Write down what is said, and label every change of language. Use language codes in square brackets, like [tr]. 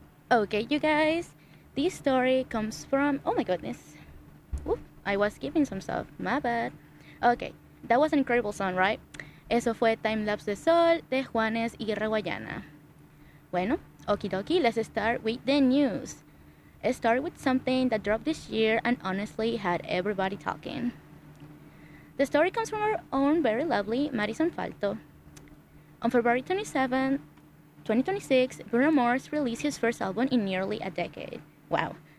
[en] Okay, you guys, this story comes from, oh my goodness, oof, I was skipping some stuff, my bad. Okay, that was an incredible song, right? [es] Eso fue Time Lapse de Sol de Juanes y Reguayana. [en] Bueno, okie dokie, let's start with the news. It started with something that dropped this year and honestly had everybody talking. The story comes from our own very lovely Madison Falto. On February 27, 2026, Bruno Mars released his first album in nearly a decade. Wow.